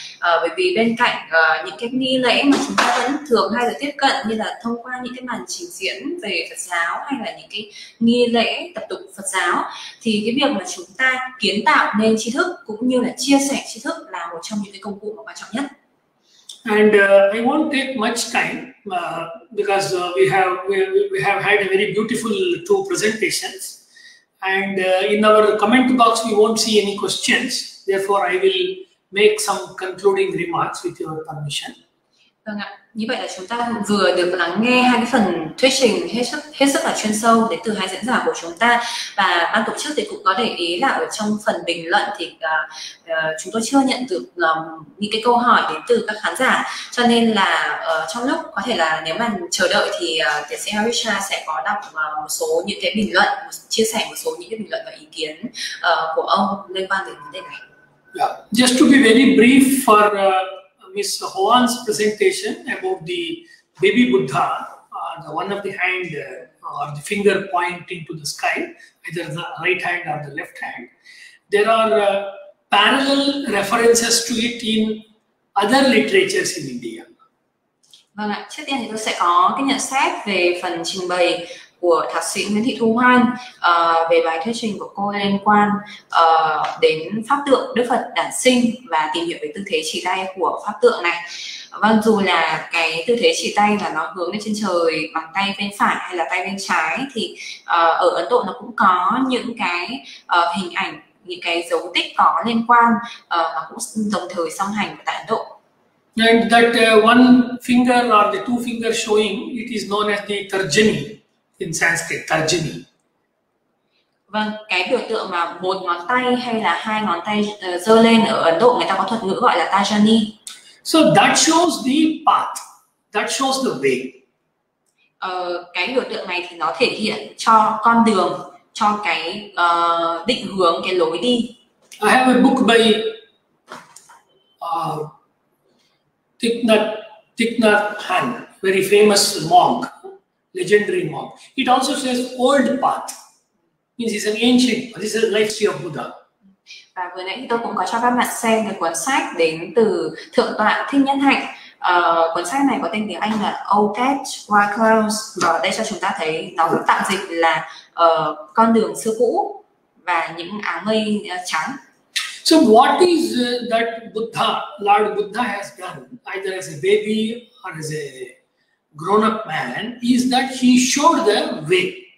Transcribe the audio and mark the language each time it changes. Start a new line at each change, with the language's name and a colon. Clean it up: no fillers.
Vietnamese: Bởi vì bên cạnh những cái nghi lễ mà chúng ta vẫn thường hay được tiếp cận như là thông qua những cái màn trình diễn về Phật giáo hay là những cái nghi lễ tập tục Phật giáo, thì cái việc mà chúng ta kiến tạo nên tri thức cũng như là chia sẻ tri thức là một trong những cái công cụ quan trọng nhất.
English: And I won't take much time because we have had a very beautiful two presentations, and in our comment box we won't see any questions. Therefore, I will make some concluding remarks with your permission.
Vietnamese: Vâng ạ, như vậy là chúng ta vừa được lắng nghe hai cái phần thuyết trình hết sức là chuyên sâu đến từ hai diễn giả của chúng ta, và ban tổ chức thì cũng có để ý là ở trong phần bình luận thì chúng tôi chưa nhận được những cái câu hỏi đến từ các khán giả, cho nên là trong lúc có thể là nếu mà chờ đợi thì tiến sĩ Harisha sẽ có đọc một số những cái bình luận, chia sẻ một số những cái bình luận và ý kiến của ông liên quan đến vấn đề này.
English: Yeah. Just to be very brief for Ms. Hoan's presentation about the baby Buddha, the one of the hand or the finger pointing to the sky, either the right hand or the left hand. There are parallel references to it in other literatures in India.
Vietnamese: Vâng ạ, trước tiên thì tôi sẽ có cái nhận xét về phần trình bày của thạc sĩ Nguyễn Thị Thu Hoan về bài thuyết trình của cô liên quan đến pháp tượng Đức Phật đản sinh và tìm hiểu về tư thế chỉ tay của pháp tượng này. Vâng, dù là cái tư thế chỉ tay là nó hướng lên trên trời bằng tay bên phải hay là tay bên trái, thì ở Ấn Độ nó cũng có những cái hình ảnh, những cái dấu tích có liên quan mà cũng đồng thời song hành tại Ấn Độ.
English: And that one finger or the two finger showing, it is known as the Tarjani. In Sanskrit, Tarjani.
Vietnamese: Vâng, cái biểu tượng mà một ngón tay hay là hai ngón tay giơ lên ở Ấn Độ, người ta có thuật ngữ gọi là Tarjani.
English: So that shows the path, that shows the way.
Vietnamese: Cái biểu tượng này thì nó thể hiện cho con đường, cho cái định hướng, cái lối đi.
English: I have a book by Thich Nhat Hanh, very famous monk. Legendary monk. It also says old path. Means it's an ancient path. This is the life of Buddha.
Vietnamese: Và vừa nãy tôi cũng có cho các bạn xem cái cuốn sách đến từ Thượng tọa Thích Nhất Hạnh. Cuốn sách này có tên tiếng Anh là Old Path White Clouds. Và đây cho chúng ta thấy nó tạm dịch là con đường xưa cũ và những áo mây trắng.
English: So what is that Buddha, Lord Buddha has done, either as a baby or as a grown-up man, is that he showed the way.